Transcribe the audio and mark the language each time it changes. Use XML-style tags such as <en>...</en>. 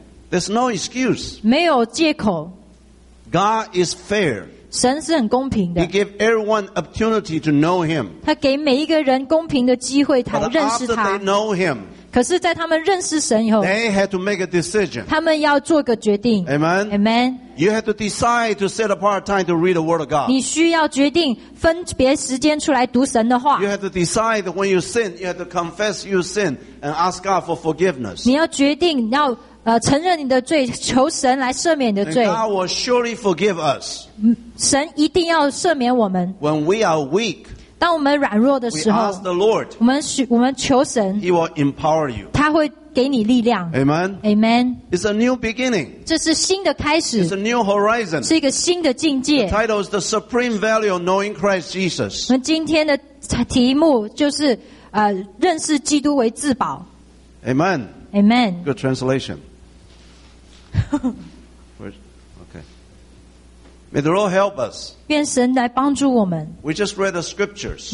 <en>There's no excuse.</en> <zh>没有借口。</zh> <en>God is fair.</en> <zh>神是很公平的。</zh> <en>He gave everyone opportunity to know Him.</en> <zh>他给每一个人公平的机会，他认识他。</zh> <en>But after they know Him,</en> <zh>可是在他们认识神以后，</zh> <en>they had to make a decision.</en> <zh>他们要做个决定。</zh> <en>Amen. Amen. You have to decide to set apart time to read the Word of God.</en> <zh>你需要决定分别时间出来读神的话。</zh> <en>You have to decide that when you sin, you have to confess your sin and ask God for forgiveness.</en> <zh>你要决定要。承认你的罪，求神来赦免你的罪。</zh> <en>God will surely forgive us.</en> <zh>神一定要赦免我们。</zh> <en>When we are weak,</en> <zh>当我们软弱的时候，</zh> <en>we ask the Lord,</en> <zh>我们求神，</zh> <en>He will empower you.</en> <zh>他会给你力量。</zh> <en>Amen. Amen. It's a new beginning.</en> <zh>这是新的开始。</zh> <en>It's a new horizon.</en> <zh>是一个新的境界。</zh> <en>The title is the supreme value of knowing Christ Jesus.</en> <zh>我们今天的题目就是认识基督为至宝。</zh> <en>Amen. Amen. Good translation. Okay. May the Lord help us.</en> <zh>愿神来帮助我们。</zh> <en>We just read the scriptures.</en>